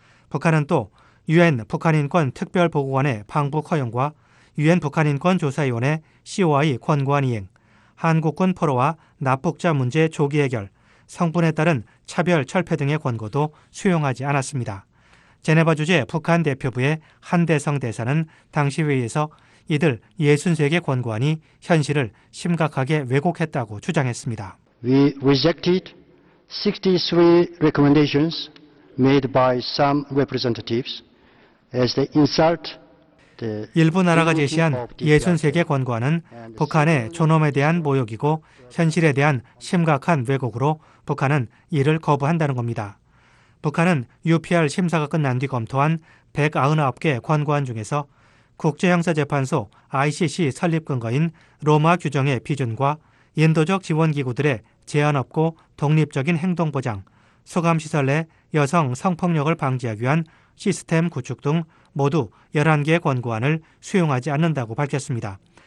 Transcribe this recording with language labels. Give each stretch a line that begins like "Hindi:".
Korean: 북한은 또 유엔 북한인권 특별보고관의 방북 허용과 유엔 북한인권조사위원회 COI 권고안 이행, 한국군 포로와 납북자 문제 조기 해결, 성분에 따른 차별 철폐 등의 권고도 수용하지 않았습니다. 제네바 주재 북한 대표부의 한대성 대사는 당시 회의에서 이들 63개 권고안이 현실을 심각하게 왜곡했다고 주장했습니다.
English: We rejected 63 recommendations made by some representatives as they insult
Korean: 일부 나라가 제시한 63개 권고안은 북한의 존엄에 대한 모욕이고 현실에 대한 심각한 왜곡으로 북한은 이를 거부한다는 겁니다. 북한은 UPR 심사가 끝난 뒤 검토한 199개 권고안 중에서 국제형사재판소 ICC 설립 근거인 로마 규정의 비준과 인도적 지원기구들의 제한 없고 독립적인 행동 보장, 수감시설 내 여성 성폭력을 방지하기 위한 시스템 구축 등 모두 11개의 권고안을 수용하지 않는다고 밝혔습니다.